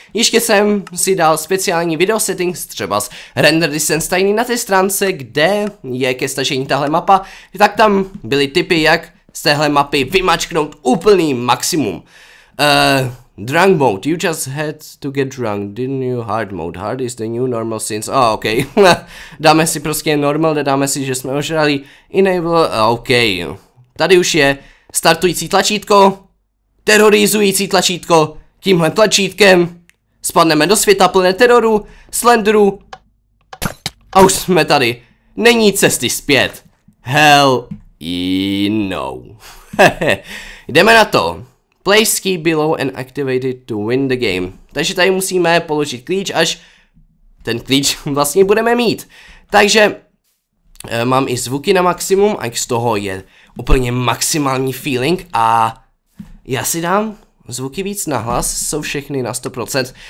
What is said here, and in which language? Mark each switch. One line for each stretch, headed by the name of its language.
Czech: Ještě jsem si dal speciální video settings, třeba z render distance tiny na té stránce, kde je ke stažení tahle mapa. Tak tam byly tipy, jak z téhle mapy vymačknout úplný maximum.
English: Drunk mode, you just had to get drunk, didn't you? Hard mode, hard is the new normal since...
Czech: Oh, ok, dáme si prostě normal, nedáme si, že jsme ožrali. Enable, ok. Tady už je startující tlačítko, terorizující tlačítko, tímhle tlačítkem spadneme do světa plné teroru, slenderu a už jsme tady. Není cesty zpět.
English: Hell no.
Czech: Jdeme na to.
English: Place key below and activate it to win the game.
Czech: Takže tady musíme položit klíč, až ten klíč vlastně budeme mít. Takže mám i zvuky na maximum, ať z toho je úplně maximální feeling a já si dám zvuky víc na hlas, jsou všechny na 100%.